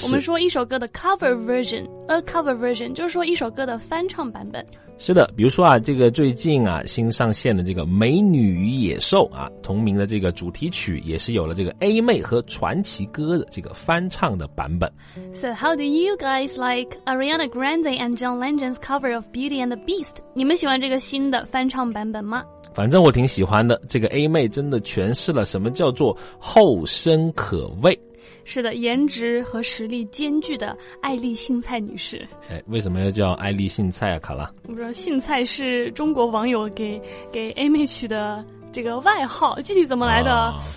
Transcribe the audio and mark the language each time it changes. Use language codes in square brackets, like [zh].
[zh] 我们说一首歌的 cover version， a cover version 就是说一首歌的翻唱版本。是的，比如说啊，这个最近啊新上线的这个《美女与野兽》啊，同名的这个主题曲也是有了这个 A 妹和传奇哥的这个翻唱的版本。 [en] So how do you guys like Ariana Grande and John Legend's cover of Beauty and the Beast？ [zh] 你们喜欢这个新的翻唱版本吗？反正我挺喜欢的，这个 A 妹真的诠释了什么叫做后生可畏。是的，颜值和实力兼具的艾丽杏菜女士。哎，为什么要叫艾丽杏菜啊，卡拉？我说杏菜是中国网友给 A 妹取的这个外号，具体怎么来的？